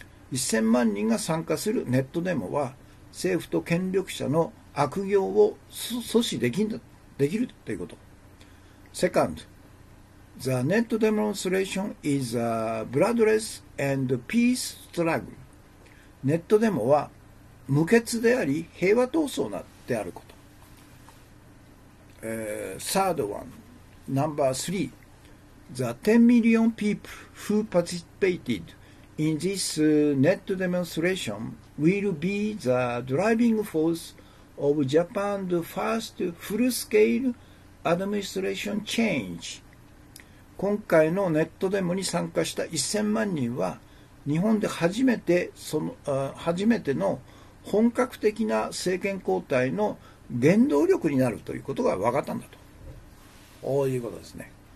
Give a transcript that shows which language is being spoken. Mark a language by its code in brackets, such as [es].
[ja] 1000万人が参加するネットデモは政府と権力者の悪行を阻止できるということ。 [en] Second,The net demonstration is a bloodless and peace struggle. [ja] ネットデモは無血であり平和闘争であること。 [en] Third one, number three, the 10 million people who participated in this net demonstration will be the driving force of Japan's first full-scale administration change. [ja] 今回のネットデモに参加した1000万人は日本で初めての本格的な政権交代の原動力になるということが分かったんだと。こういうことですね。